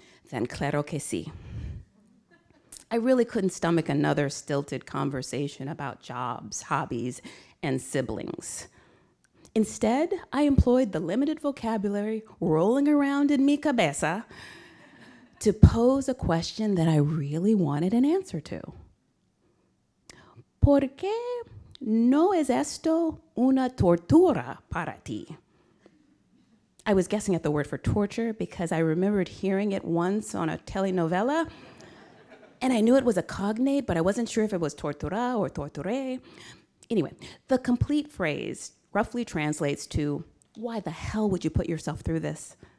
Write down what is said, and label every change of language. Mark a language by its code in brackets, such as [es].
[en] Then [es] claro que sí. [en] I really couldn't stomach another stilted conversation about jobs, hobbies, and siblings. Instead, I employed the limited vocabulary rolling around in [es] mi cabeza [en] to pose a question that I really wanted an answer to. [es] ¿Por qué no es esto una tortura para ti? [en] I was guessing at the word for torture because I remembered hearing it once on a telenovela, and I knew it was a cognate, but I wasn't sure if it was tortura or torture. Anyway, the complete phrase roughly translates to, why the hell would you put yourself through this?